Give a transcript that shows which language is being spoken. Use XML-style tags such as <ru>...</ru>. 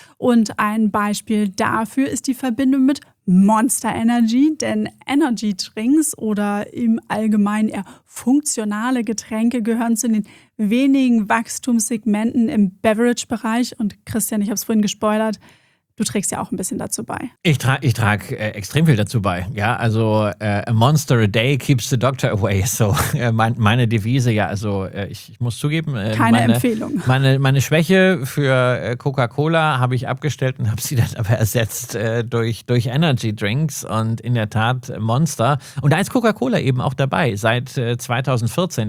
<de>Und ein Beispiel dafür ist die Verbindung mit Monster Energy, denn Energy Drinks oder im Allgemeinen eher funktionale Getränke gehören zu den wenigen Wachstumssegmenten im Beverage-Bereich. Und Christian, ich habe es vorhin gespoilert, du trägst ja auch ein bisschen dazu bei. Ich trage extrem viel dazu bei. Ja, also</de> <en>a monster a day keeps the doctor away.</en> <de>So meine Devise, ja, also ich muss zugeben. Keine Empfehlung. Meine Schwäche für Coca-Cola habe ich abgestellt und habe sie dann aber ersetzt durch Energy Drinks und in der Tat Monster. Und da ist Coca-Cola eben auch dabei seit 2014.</de>